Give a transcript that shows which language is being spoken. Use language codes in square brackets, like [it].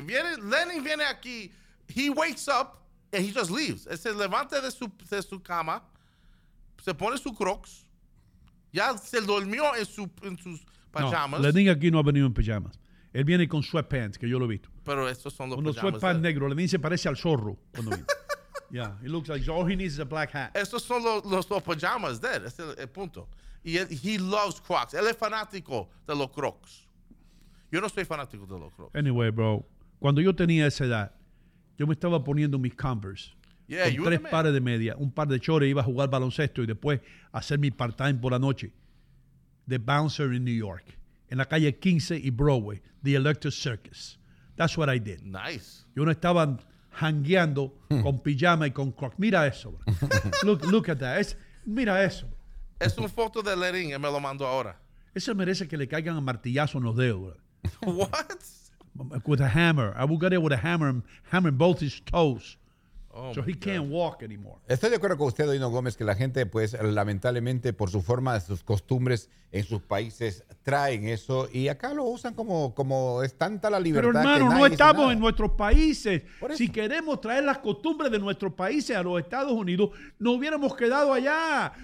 [es] Lenin viene aquí, [en] he wakes up and he just leaves. [es] Se levanta de su cama, se pone su Crocs, ya se durmió en sus pajamas. No, Lenin aquí no ha venido en pajamas. Él viene con sweatpants, que yo lo he visto. Pero estos son los pajamas. Con los sweatpants negros. Lenin se parece al zorro cuando viene. [en] Yeah, he looks like all he needs is a black hat. [es] Estos son los pajamas de él. Ese es el punto. Y él, [en] he loves Crocs. [es] Él es fanático de los Crocs. Yo no soy fanático de los Crocs. [en] Anyway, bro, [es] cuando yo tenía esa edad, yo me estaba poniendo mis Converse. [en] Yeah, [es] con tres pares de media, un par de chores, iba a jugar baloncesto y después hacer mi part-time por la noche. [en] The Bouncer in New York. [es] En la calle 15 y Broadway. [en] The Electric Circus. That's what I did. Nice. [es] Yo no estaba jangueando con pijama y con croc. Mira eso, bro. [en] Look at that. [es] Mira eso. Bro. Es una foto de Lerín, él me lo mandó ahora. Eso merece que le caigan a martillazo en los dedos, bro. [en] What? With a hammer. I will get it with a hammer and hammer both his toes. Oh, so he can't walk anymore. [es] Estoy de acuerdo con usted, Dino Gómez, que la gente, pues, lamentablemente, por su forma, sus costumbres en sus países, traen eso. Y acá lo usan como es tanta la libertad. Pero, hermano, que no estamos en nuestros países. Si queremos traer las costumbres de nuestros países a los Estados Unidos, no hubiéramos quedado allá.